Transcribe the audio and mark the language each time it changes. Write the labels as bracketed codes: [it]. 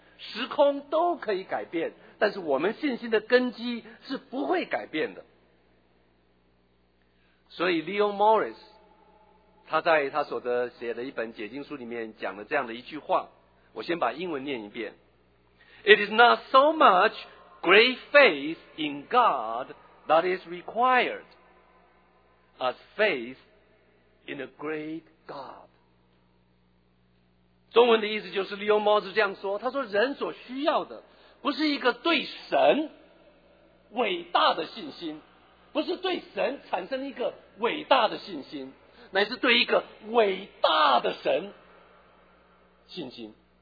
[zh] 时空都可以改变，但是我们信心的根基是不会改变的。所以 Leon Morris 他在他所写的一本解经书里面讲了这样的一句话，我先把英文念一遍。 [en] It is not so much great faith in God that is required as faith in a great God。 [zh] 中文的意思就是利用猫子这样说，他说人所需要的不是一个对神伟大的信心，不是对神产生一个伟大的信心，乃是对一个伟大的神信心。